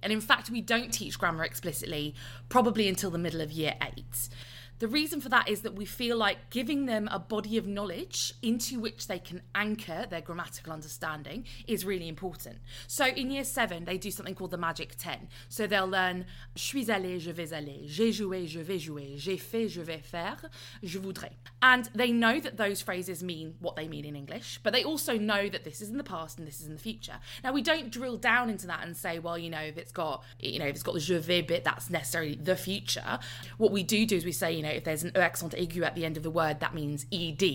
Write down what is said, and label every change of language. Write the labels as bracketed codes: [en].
[en] And in fact, we don't teach grammar explicitly probably until the middle of year eight. The reason for that is that we feel like giving them a body of knowledge into which they can anchor their grammatical understanding is really important. So in year seven, they do something called the magic 10. So they'll learn, [fr] je suis allé, je vais aller, j'ai joué, je vais jouer, j'ai fait, je vais faire, je voudrais. [en] And they know that those phrases mean what they mean in English, but they also know that this is in the past and this is in the future. Now, we don't drill down into that and say, well, you know, if it's got the [fr] je vais [en] bit, that's necessarily the future. What we do is we say, you know, if there's an accent aigu at the end of the word, that means ed.